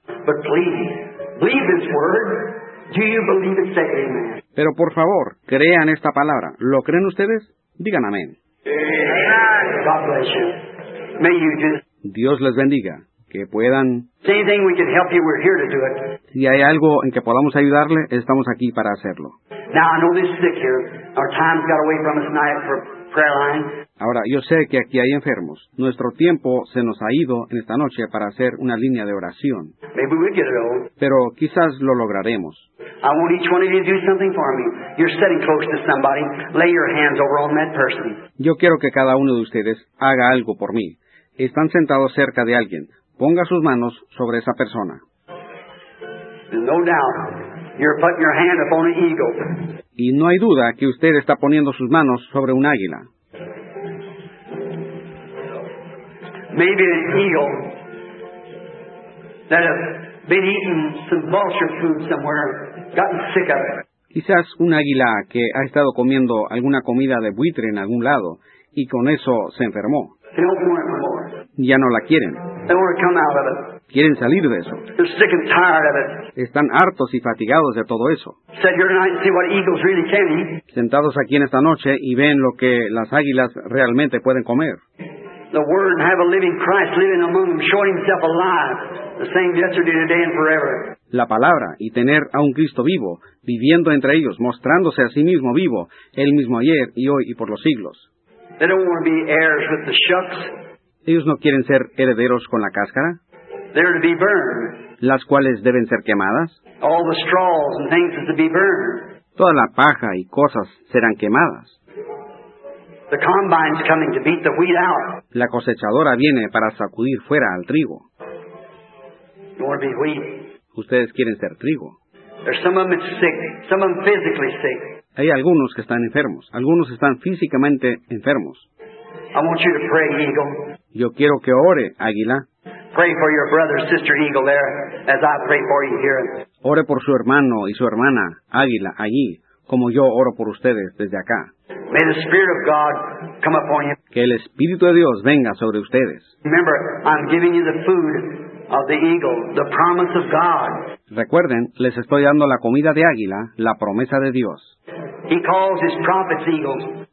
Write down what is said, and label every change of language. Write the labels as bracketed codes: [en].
[en] But please, believe this word. Do you believe it? Say amen. [es] Pero por favor, crean esta palabra. ¿Lo creen ustedes? Digan amén. [en] Amen. God bless you. May you do. [es] Dios les bendiga. Que puedan. [en] Anything we can help you, we're here to do it. [es] Si hay algo en que podamos ayudarle, estamos aquí para hacerlo. [en] Now I know this sick here. Our time got away from us tonight for prayer line. [es] Ahora yo sé que aquí hay enfermos. Nuestro tiempo se nos ha ido en esta noche para hacer una línea de oración. [en] Maybe we'll get it all. [es] Pero quizás lo lograremos. [en] I want each one of you to do something for me. You're sitting close to somebody. Lay your hands over on that person. [es] Yo quiero que cada uno de ustedes haga algo por mí. Están sentados cerca de alguien. Ponga sus manos sobre esa persona. [en] No doubt, you're putting your hand upon an eagle. [es] y no hay duda que usted está poniendo sus manos sobre un águila. [en] Maybe an eagle that has been eating some vulture food somewhere, gotten sick of it. [es] Quizás un águila que ha estado comiendo alguna comida de buitre en algún lado y con eso se enfermó. [en] They don't want it anymore. [es] Ya no la quieren. [en] They want to come out of it. [es] Quieren salir de eso. [en] They're sick and tired of it. [es] Están hartos y fatigados de todo eso. [en] Sit here tonight and see what eagles really can eat. [es] Sentados aquí en esta noche y ven lo que las águilas realmente pueden comer. [en] The Word have a living Christ living among them, showing himself alive, the same yesterday, today, and forever. [es] La palabra y tener a un Cristo vivo, viviendo entre ellos, mostrándose a sí mismo vivo, el mismo ayer y hoy y por los siglos. [en] They don't want to be heirs with the shucks. [es] Ellos no quieren ser herederos con la cáscara. [en] They're to be burned. [es] Las cuales deben ser quemadas. [en] All the straws and things are to be burned. [es] Toda la paja y cosas serán quemadas. [en] The combine's coming to beat the wheat out. [es] La cosechadora viene para sacudir fuera al trigo. [en] You want to be wheat. [es] Ustedes quieren ser trigo. [en] There's some of them sick, some of them physically sick. [es] Hay algunos que están enfermos. Algunos están físicamente enfermos. [en] I want you to pray, eagle. [es] Yo quiero que ore, águila. [en] Pray for your brother, sister, eagle there, as I pray for you here. [es] Ore por su hermano y su hermana, águila, allí, como yo oro por ustedes desde acá. [en] May the Spirit of God come upon you. [es] Que el Espíritu de Dios venga sobre ustedes. [en] Remember, I'm giving you the food of the eagle, the promise of God. [es] Recuerden, les estoy dando la comida de águila, la promesa de Dios. [en] He calls his prophets eagles.